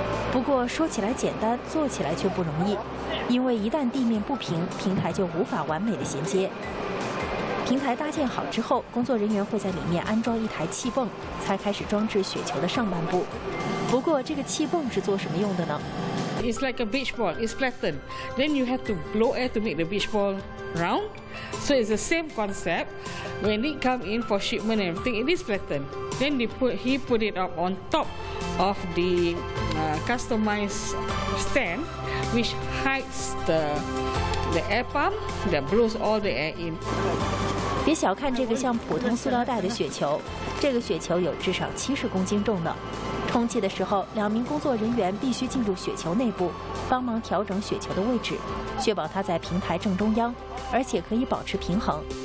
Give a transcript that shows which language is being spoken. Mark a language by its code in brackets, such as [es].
[zh] 不过说起来简单，做起来却不容易，因为一旦地面不平，平台就无法完美地衔接。平台搭建好之后，工作人员会在里面安装一台气泵，才开始装置雪球的上半部。不过这个气泵是做什么用的呢？ [en] It's like a beach ball, it's flattened. Then you have to blow air to make the beach ball round. So it's the same concept. When it come in for shipment and everything, it is flattened. Then he put it up on top of the customized stand, which hides the air pump that blows all the air in. [zh] 别小看这个像普通塑料袋的雪球，这个雪球有至少70公斤重呢。充气的时候，两名工作人员必须进入雪球内部，帮忙调整雪球的位置，确保它在平台正中央，而且可以保持平衡。